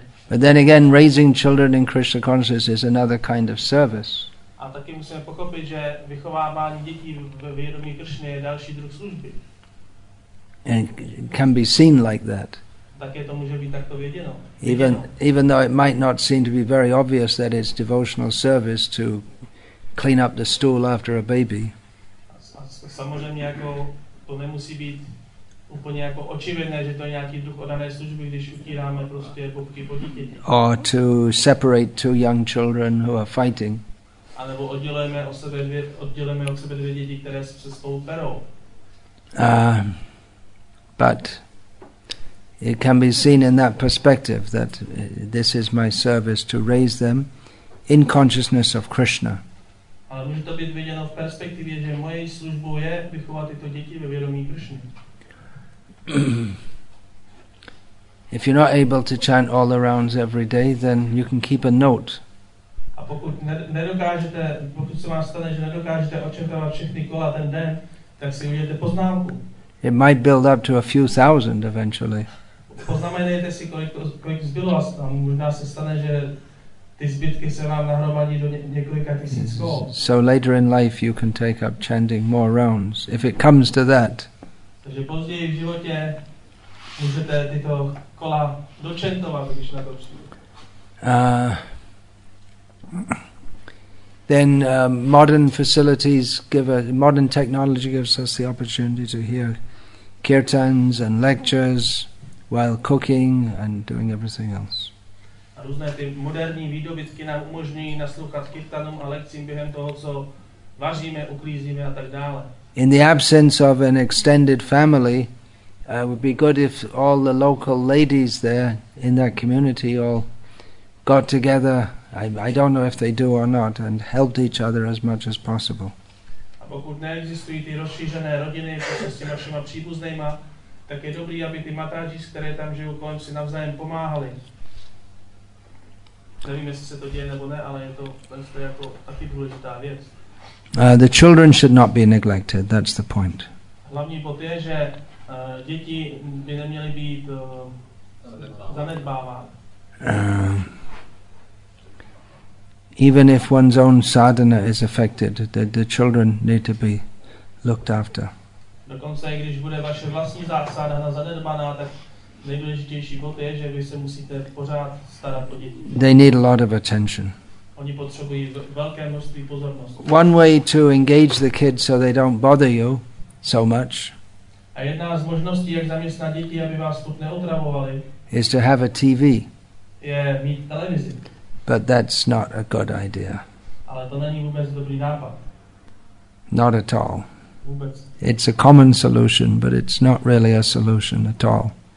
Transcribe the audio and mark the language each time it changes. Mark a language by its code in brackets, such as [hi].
[en] But then again, raising children in Krishna consciousness is another kind of service. [cs] A taky musíme pochopit, že vychovávání dětí ve vědomí Kršny je další druh služby. [en] And can be seen like that. [cs] Také to může být takto věděno. [en] Even though it might not seem to be very obvious that it's devotional service to clean up the stool after a baby. [cs] Samozřejmě jako to nemusí být úplně jako očividné, že to je nějaký druh oddané služby, když utíráme prostě bobky po dítěti. [en] Or to separate two young children who are fighting. [cs] A nebo oddělujeme od sebe dvě děti, které se spolu perou. [en] But it can be seen in that perspective that this is my service to raise them in consciousness of Krishna. [cs] Ale může to být viděno v perspektivě, že mojí službou je vychovat tyto děti ve vědomí Krishny. [en] If you're not able to chant all the rounds every day, then you can keep a note. [cs] A pokud nedokážete, pokud se vám stane, že nedokážete odčetávat všechny kola ten den, tak si udělejte poznámku. [en] It might build up to a few thousand eventually. [cs] Poznamenejte si, kolik zbylo, a možná se stane, že ty zbytky se vám nahromadí do několika tisíc kol. [en] So later in life you can take up chanting more rounds, if it comes to that. [cs] Takže později v životě můžete tyto kola dočentovat, když na to přijde. [en] Then modern facilities give modern technology gives us the opportunity to hear kirtans and lectures while cooking and doing everything else. [cs] A různé ty moderní výdobytky nám umožňují naslouchat kirtanům a lekcím během toho, co vaříme, uklízíme a tak dále. [en] In the absence of an extended family, it would be good if all the local ladies there in that community all got together. I don't know if they do or not, and helped each other as much as possible. [cs] A pokud neexistují ty rozšířené rodiny s těmi našimi příbuznými, tak je dobrý, aby ty matáži, které tam žijou kolem, si navzájem pomáhali. Nevím, jestli se to děje nebo ne, ale je to jako taky důležitá věc. [en] The children should not be neglected, that's the point. [cs] Hlavní bod je, že děti by neměly být zanedbávány. [en] Even if one's own sadhana is affected, the children need to be looked after. [cs] Dokonce i když bude vaše vlastní sadhana zanedbaná, tak nejdůležitější bod je, že vy se musíte pořád starat o děti. [en] They need a lot of attention. [cs] Oni potřebují velké množství pozornosti. [en] One way to engage the kids so they don't bother you so much. [cs] A jedna z možností, jak zaměstnat děti, aby vás tak neotravovali, [en] is to have a TV. [cs] Je mít televizi. [en] But that's not a good idea. [cs] Ale to není vůbec dobrý nápad. [en] Not at all. [cs] Vůbec. [en] It's a common solution, but it's not really a solution at all.